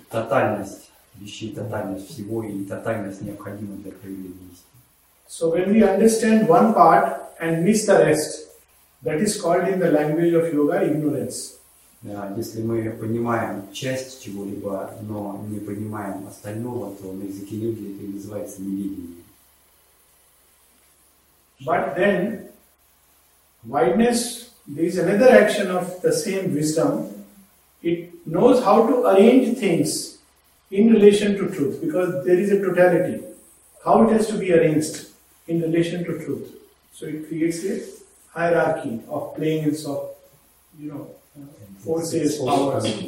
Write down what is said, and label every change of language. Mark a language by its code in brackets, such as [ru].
[ru] Тотальность вещей, тотальность всего, и тотальность необходима для проявления истины. [en] So when we understand one part and miss the rest, that is called in the language of yoga ignorance. [ru] Если мы понимаем часть чего-либо, но не понимаем остального, то на языке йоги это называется неведение. [en] But then wideness, there is another action of the same wisdom. It knows how to arrange things in relation to truth, because there is a totality. How it has to be arranged in relation to truth. So it creates a hierarchy of planes, of, you know, forces, powers.